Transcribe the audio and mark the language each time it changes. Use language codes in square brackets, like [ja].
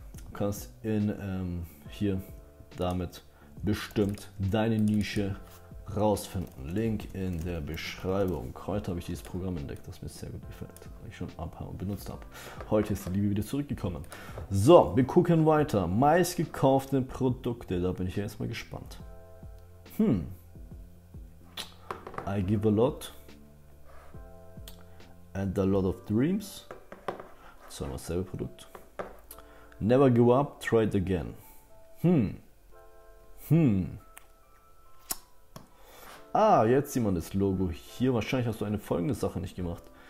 [de] Du kannst hier damit bestimmt deine Nische rausfinden. Link in der Beschreibung. Heute habe ich dieses Programm entdeckt, das mir sehr gut gefällt, weil ich schon abhabe und benutzt habe. Heute ist die Liebe wieder zurückgekommen. So, wir gucken weiter. Meistgekaufte Produkte. Da bin ich ja erstmal gespannt. [en] I give a lot and a lot of dreams. [de] Zweimal selbe Produkt. [en] Never give up, try it again. [de] Ah, jetzt sieht man das Logo hier. Wahrscheinlich hast du eine folgende Sache nicht gemacht.